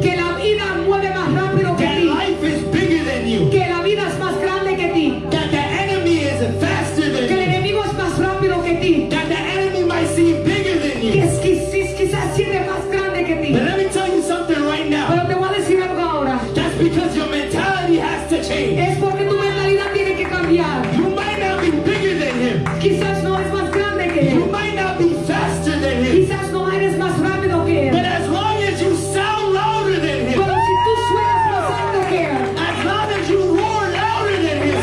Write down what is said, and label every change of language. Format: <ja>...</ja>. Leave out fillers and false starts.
<es>Que la vida mueve más rápido que ti.</es> <en>That life is bigger than you.</en> <es>Que la vida es más grande que ti.</es> <en>That the enemy is faster than you.</en> <es>Que el enemigo es más rápido que ti.</es> <en>That the enemy might seem bigger than you.</en> <es>Quizás siente más grande que ti.</es> <en>But let me tell you something right now.</en> <es>Pero te voy a decir algo ahora.</es> <en>That's because your mentality has to change.</en> <es>Es porque tu mentalidad tiene que cambiar.</es> <en>You might not be bigger than him.</en> <es>Quizás no es más grande que él.</es> <en>You might not be faster than him.</en> <es>Quizás no.</es> <en>But as long as you sound louder than him,</en> <es>pero si tú sueñas más alto que él,</es> <en>as long as you roar louder than him,</en>